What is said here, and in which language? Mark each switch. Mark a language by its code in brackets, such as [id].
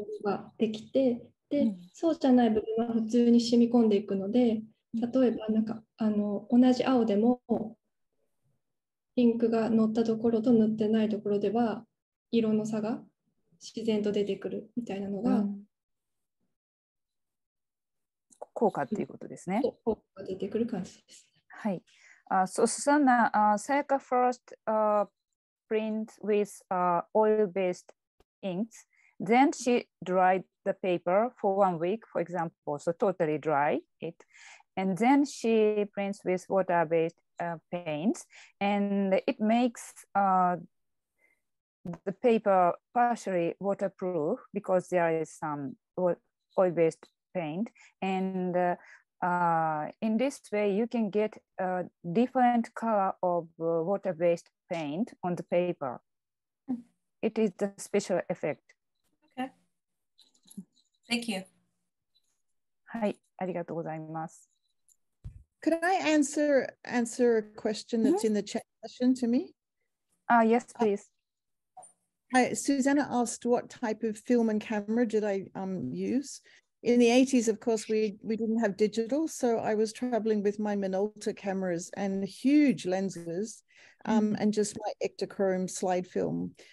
[ja] ができて、で、そうじゃない部分は普通に染み込んでいくので、例えばなんか同じ青でもインクが乗ったところと塗ってないところでは色の差が自然と出てくるみたいなのが、効果っていうことですね。効果が出てくる感じです。はい、そう、 [en] スザンナ、Sayaka first print with oil based inks、then she dried the paper for 1 week, for example, so totally dry it. And then she prints with water-based paints, and it makes the paper partially waterproof because there is some oil-based paint. And in this way, you can get a different color of water-based paint on the paper. It is the special effect. Thank you. [ja] はい、ありがとうございます。 [en] Could I answer a question that's in the chat session to me? Yes, please. Hi, Susanna asked what type of film and camera did I use. In the 80s, of course, we didn't have digital, so I was traveling with my Minolta cameras and huge lenses, and just my Ektachrome slide film.